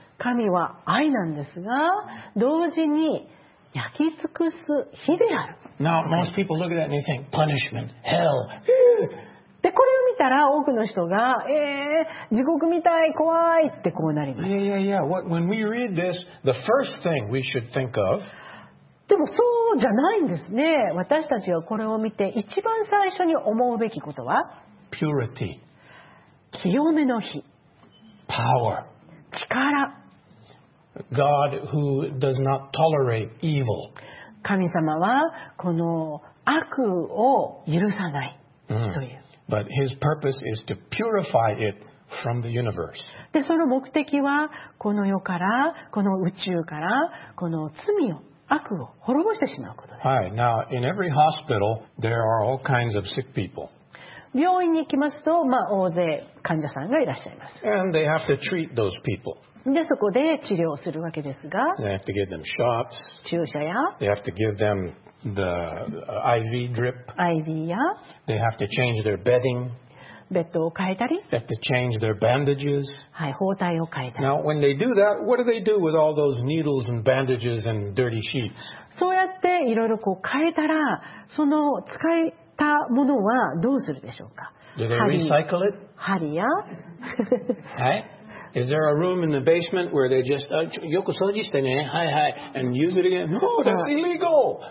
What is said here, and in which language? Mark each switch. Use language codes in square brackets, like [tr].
[ja] 神は愛なんですが、同時に焼き尽くす火である。 [en] Now, most people look at that and they think, punishment, hell. [ja] で、これを見たら多くの人が、地獄みたい、怖いってこうなります。 [en] Yeah, yeah, yeah. What, when we read this, the first thing we should think of, [ja] でもそうじゃないんですね。私たちがこれを見て一番最初に思うべきことは、 [en] purity、 [ja] 清めの火、 [en] power、 [ja] 力、 [en] God who does not tolerate evil、 [ja] 神様はこの悪を許さないという。 Mm. [en] But His purpose is to purify it. From the universe. [ja] で、その目的はこの世からこの宇宙からこの罪を悪を滅ぼしてしまうことです。はい。 [en] Now, in every hospital, there are all kinds of sick people. [ja] 病院に行きますと、まあ、大勢患者さんがいらっしゃいます。 [en] And they have to treat those people. [ja] で、そこで治療するわけですが、 [en] they have to give them shots. [ja] 注射や、 [en] they have to give them the IV drip. [ja] IV や、 [en] they have to change their bedding. [ja] ベッドを変えたり、 [en] they have to change their bandages. [ja] はい、包帯を変えたり。 [en] Now, when they do that, what do they do with all those needles and bandages and dirty sheets? [ja] そうやっていろいろこう変えたら、その使えたものはどうするでしょうか。 [en] Do they recycle it? [ja] 針や。 [en] はい。Is there a room in the basement where they just, [ja] よく掃除してね、はいはい、 [en] and use it again? No, that's illegal!